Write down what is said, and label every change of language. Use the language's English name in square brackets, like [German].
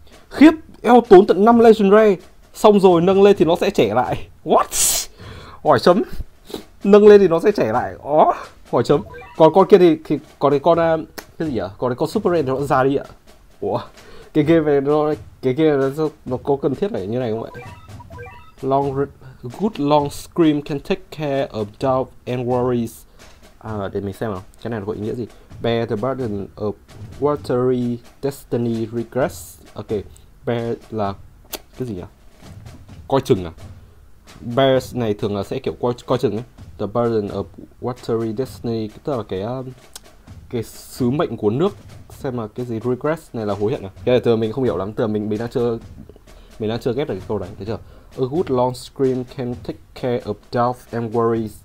[Vietnamese] Khiếp, eo tốn tận 5 Legendary, xong rồi nâng lên thì nó sẽ trẻ lại. What? Hỏi chấm. Nâng lên thì nó sẽ trẻ lại. Ó, hỏi chấm. Còn con kia thì còn cái con cái gì ạ? Còn cái con Super Rare thì nó già đi ạ. Ủa, cái game này nó có cần thiết phải như này không vậy? [English] Long good long scream can take care of doubt and worries. [Vietnamese] Để mình xem nào, cái này có ý nghĩa gì? [English] Bear the burden of watery destiny regress. [Vietnamese] Ok, bear là cái gì nhỉ? Coi chừng à? Bears này thường là sẽ kiểu coi chừng ấy. [English] The burden of watery destiny, [Vietnamese] tức là cái sứ mệnh của nước. Xem là cái gì, regress này là hối hận à? Cái này từ mình không hiểu lắm, từ mình đang chưa ghép được cái câu này, thấy chưa? [English] A good long scream can take care of doubts and worries.